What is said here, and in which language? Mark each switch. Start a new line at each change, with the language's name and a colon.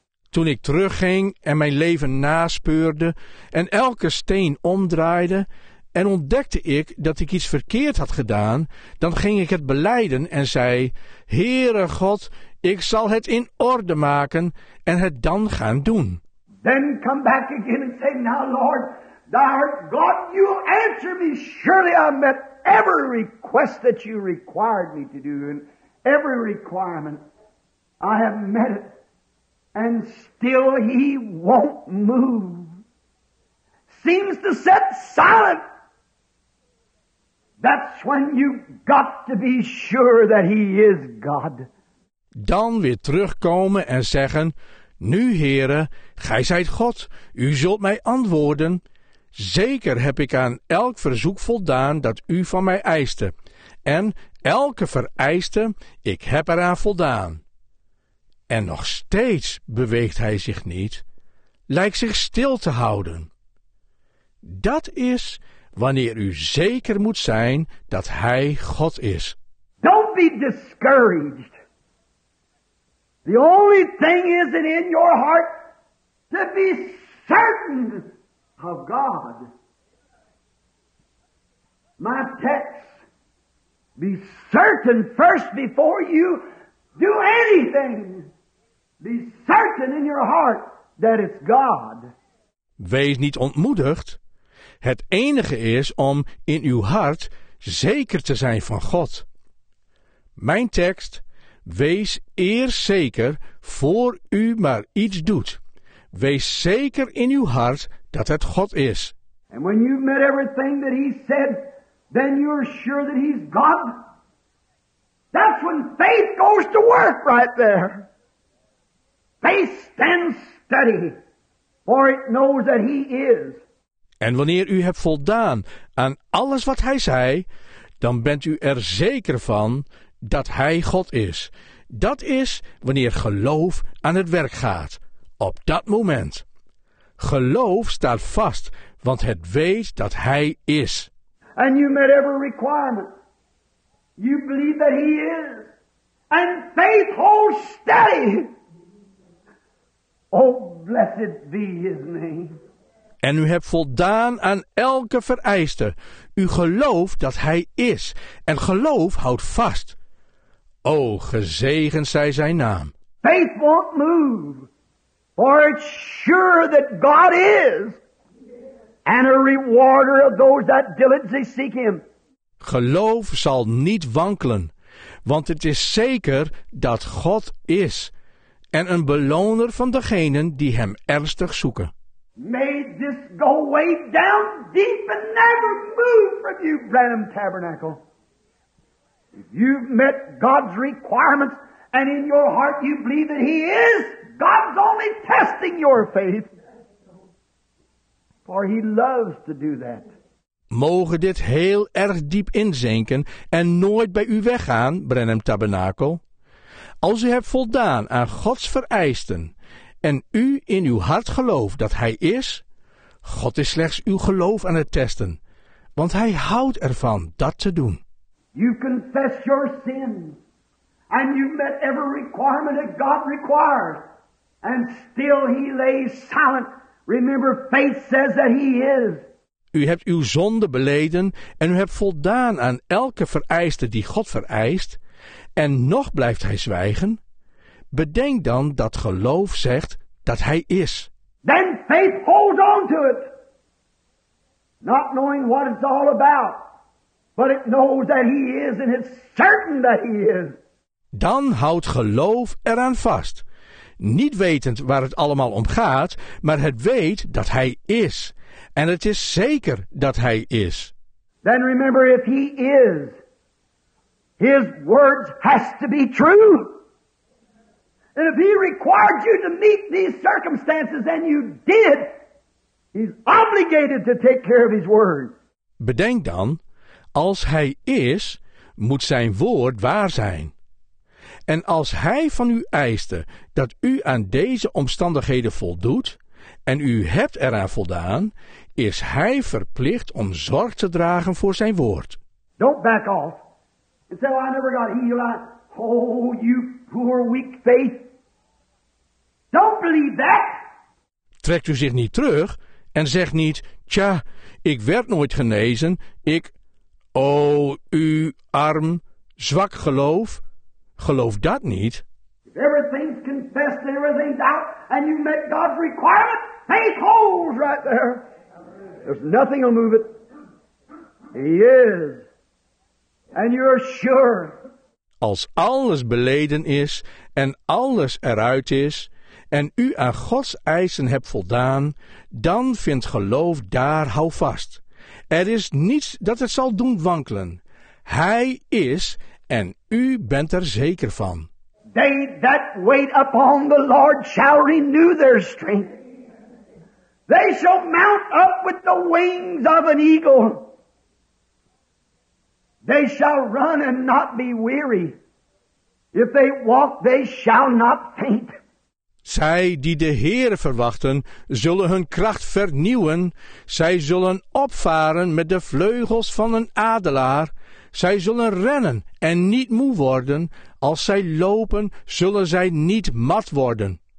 Dutch: Toen ik terugging en mijn leven naspeurde en elke steen omdraaide en ontdekte ik dat ik iets verkeerd had gedaan, dan ging ik het belijden en zei, Heere God, ik zal het in orde maken en het dan gaan doen.
English: Then come back again and say, now Lord, thou art God, you answer me. Surely I met every request that you required me to do and every requirement. I have met it. And still he won't move. Seems to sit silent. That's when you've got to be sure that he is God.
Dutch: Dan weer terugkomen en zeggen, Nu, Heere, gij zijt God, u zult mij antwoorden. Zeker heb ik aan elk verzoek voldaan dat u van mij eiste. En elke vereiste, ik heb eraan voldaan. En nog steeds beweegt hij zich niet, lijkt zich stil te houden. Dat is wanneer u zeker moet zijn dat hij God is.
English: Don't be discouraged. The only thing is that in your heart to be certain of God. My text, be certain first before you do anything. Be certain in your heart that it's God.
Dutch: Wees niet ontmoedigd. Het enige is om in uw hart zeker te zijn van God. Mijn tekst, wees eerst zeker voor u maar iets doet. Wees zeker in uw hart dat het God is.
English: And when you've met everything that he said, then you're sure that he's God. That's when faith goes to work right there. Faith stands steady, for it knows that he is.
Dutch: En wanneer u hebt voldaan aan alles wat hij zei, dan bent u er zeker van dat hij God is. Dat is wanneer geloof aan het werk gaat, op dat moment. Geloof staat vast, want het weet dat hij is.
English: And you met every requirement. You believe that he is. And faith holds steady. Oh, blessed be his name.
Dutch: En u hebt voldaan aan elke vereiste. U gelooft dat hij is. En geloof houdt vast. O, gezegend zij zijn naam.
English: Faith won't move. For it's sure that God is. And a rewarder of those that diligently seek him.
Dutch: Geloof zal niet wankelen. Want het is zeker dat God is. En een beloner van degenen die hem ernstig zoeken.
English: May this go way down deep and never move from you, Branham Tabernacle. If you've met God's requirements and in your heart you believe that he is, God's only testing your faith. For he loves to do that.
Dutch: Mogen dit heel erg diep inzinken en nooit bij u weggaan, Branham Tabernacle. Als u hebt voldaan aan Gods vereisten en u in uw hart gelooft dat hij is, God is slechts uw geloof aan het testen, want hij houdt ervan dat te doen.
English: You confess your sin and you met every requirement that God requires and still he lays silent. Remember, faith says that he is.
Dutch: U hebt uw zonde beleden en u hebt voldaan aan elke vereiste die God vereist en nog blijft hij zwijgen. Bedenk dan dat geloof zegt dat hij is.
English: Then faith holds on to it. Not knowing what it's all about. But it knows that he is and it's certain that he is.
Dutch: Dan houdt geloof eraan vast. Niet wetend waar het allemaal om gaat, maar het weet dat hij is. En het is zeker dat hij is.
English: Then remember, if he is, his words has to be true. And if he required you to meet these circumstances and you did, he's obligated to take care of his word.
Dutch: Bedenk dan, als hij is, moet zijn woord waar zijn. En als hij van u eiste dat u aan deze omstandigheden voldoet, en u hebt eraan voldaan, is hij verplicht om zorg te dragen voor zijn woord.
English: Don't back off. And say, well, I never got healed. Oh, you poor weak faith. Don't believe that.
Dutch: Trekt u zich niet terug en zegt niet, tja, ik werd nooit genezen. Ik, o, u arm, zwak geloof. Geloof dat niet.
English: If everything's confessed and everything's out and you met God's requirement, faith holds right there. There's nothing will move it. He is. And you're sure.
Dutch: Als alles beleden is en alles eruit is en u aan Gods eisen hebt voldaan, dan vindt geloof daar houvast. Er is niets dat het zal doen wankelen. Hij is en u bent er zeker van.
English: They that wait upon the Lord shall renew their strength. They shall mount up with the wings of an eagle. They shall run and not be weary. If they walk, they shall not faint.
Dutch: Zij die de Heere verwachten, zullen hun kracht vernieuwen. Zij zullen opvaren met de vleugels van een adelaar. Zij zullen rennen en niet moe worden. Als zij lopen, zullen zij niet mat worden.